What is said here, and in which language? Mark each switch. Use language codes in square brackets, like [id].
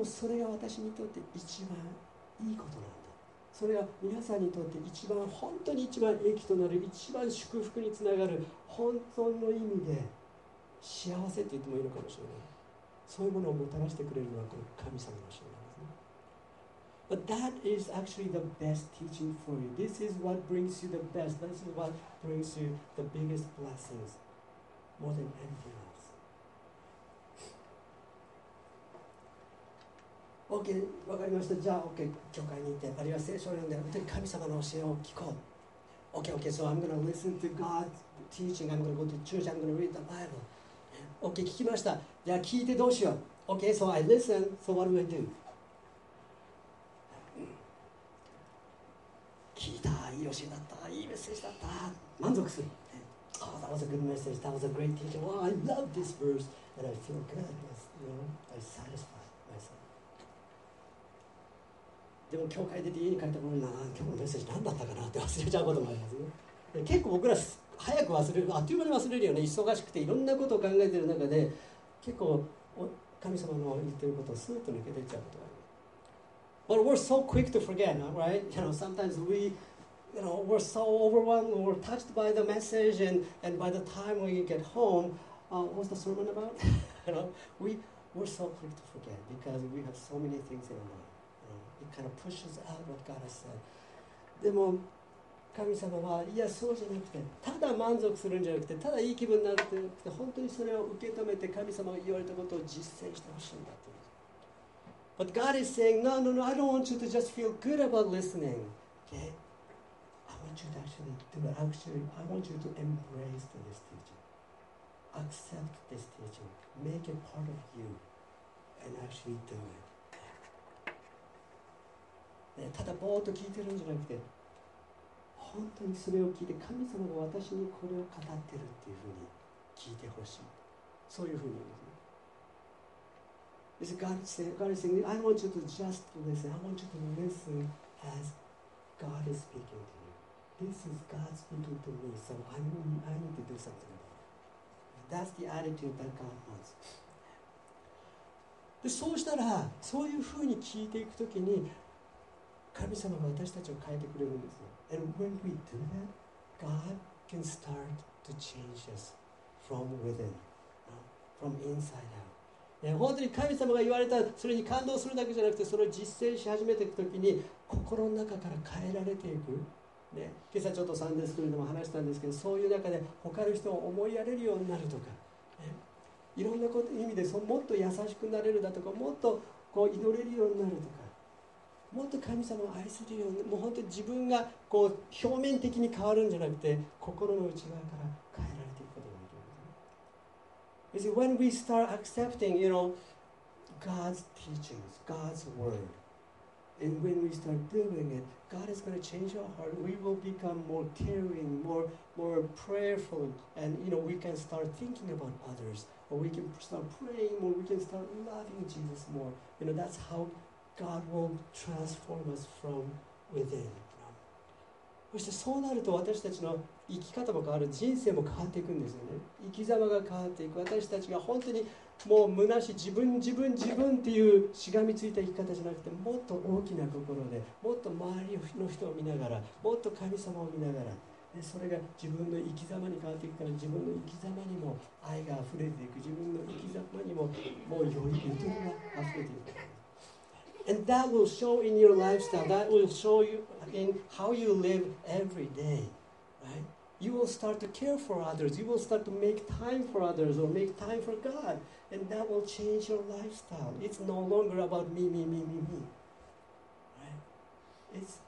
[ja] でもそれが私にとって一番いいことなんだ。それが皆さんにとって一番、本当に一番益となる、一番祝福につながる、本当の意味で幸せと言ってもいいのかもしれない。そういうものをもたらしてくれるのはこの神様の教えなんですね。 [en] But that is actually the best teaching for you. This is what brings you the best. This is what brings you the biggest blessings, more than anything else. [ja] Okay, 分かりました。じゃあ、okay, 教会に行って、あるいは聖書を読んで、本当に神様の教えを聞こう。 [en] Okay, okay, so I'm going to listen to God's teaching. I'm going to go to church. I'm going to read the Bible. Okay, [ja] 聞きました。じゃあ、聞いてどうしよう。 [en] Okay, so I listen. So what do I do? [ja] 聞いた、いい教えだった、いいメッセージだった、満足する。 [en] Oh, that was a good message, that was a great teaching. Wow, I love this verse, and I feel good, you know, I satisfy myself. [ja] でも教会で家に帰ったものに、今日のメッセージ何だったかなって忘れちゃうこともありますね。結構僕ら早く忘れる、あっという間に忘れるよね。忙しくていろんなことを考えている中で、結構神様の言ってることをスーッと抜けていっちゃうことがある。 [en] But we're so quick to forget, right? You know, sometimes we, you know, we're so overwhelmed, we're touched by the message, and by the time we get home, what's the sermon about? You know, we're so quick to forget because we have so many things in our mind. You know, it kind of pushes out what God has said. [ja] でも神様はいやそうじゃなくて、ただ満足するんじゃなくて、ただいい気分になるってなくて、本当にそれを受け止めて神様が言われたことを実践してほしいんだって。 [en] But God is saying, no, no, no, I don't want you to just feel good about listening. Okay? I want you to actually do it. Actually, I want you to embrace this teaching. Accept this teaching. Make it part of you. And actually do it. [ja] ね、ただぼーっと聞いてるんじゃなくて、本当にそれを聞いて、神様が私にこれを語ってるっていうふうに聞いてほしい。そういうふうに言うんですね。 [en] Is God saying, God is saying, I want you to just listen. I want you to listen as God is speaking to you. This is God's speaking to me, so I need to do something about it. That's the attitude that God wants. [ja] で、そうしたら、そういうふうに聞いていくときに、神様が私たちを変えてくれるんですよ。 [en] And when we do that, God can start to change us from within, from inside out. [ja] 本当に神様が言われたそれに感動するだけじゃなくて、それを実践し始めていくときに心の中から変えられていく、ね、今朝ちょっとサンデースクールでも話したんですけど、そういう中で他の人を思いやれるようになるとか、ね、いろんなこと意味でもっと優しくなれるだとか、もっとこう祈れるようになるとか、もっと神様を愛するように、もう本当に自分がこう表面的に変わるんじゃなくて、心の内側から変えられていくことができるんですね。 [en] You see, when we start accepting, you know, God's teachings, God's word, and when we start doing it, God is going to change our heart. We will become more caring, more prayerful, and you know, we can start thinking about others, or we can start praying more, we can start loving Jesus more. You know, that's howGod will transform us from within. [ja] そしてそうなると私たちの生き方も変わる、人生も変わっていくんですよね。生き様が変わっていく。私たちが本当にもう虚しい自分自分自分っていうしがみついた生き方じゃなくて、もっと大きな心で、もっと周りの人を見ながら、もっと神様を見ながら、でそれが自分の生き様に変わっていくから、自分の生き様にも愛が溢れていく、自分の生き様にももうよりゆとりが溢れていく。 [en] And that will show in your lifestyle. That will show you in how you live every day, right? You will start to care for others. You will start to make time for others or make time for God. And that will change your lifestyle. It's no longer about me, right?